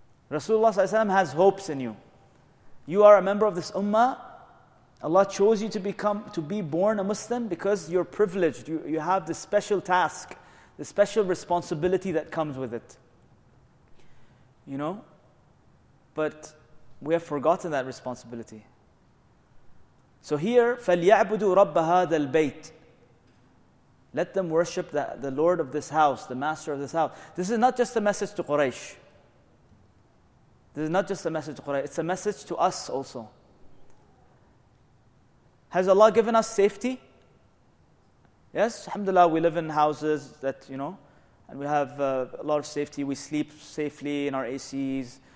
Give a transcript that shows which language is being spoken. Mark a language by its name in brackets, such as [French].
[English] Rasulullah Sallallahu Alaihi Wasallam has hopes in you. You are a member of this ummah. Allah chose you to be born a Muslim because you're privileged. You have this special task, the special responsibility that comes with it. You know? But we have forgotten that responsibility. So here, [Arabic] فَلْيَعْبُدُوا رَبَّ هَذَا الْبَيْتِ. [English] Let them worship the Lord of this house, the master of this house. This is not just a message to Quraysh. This is not just a message to Quraysh. It's a message to us also. Has Allah given us safety? Yes, alhamdulillah, we live in houses that, you know, and we have a lot of safety. We sleep safely in our ACs.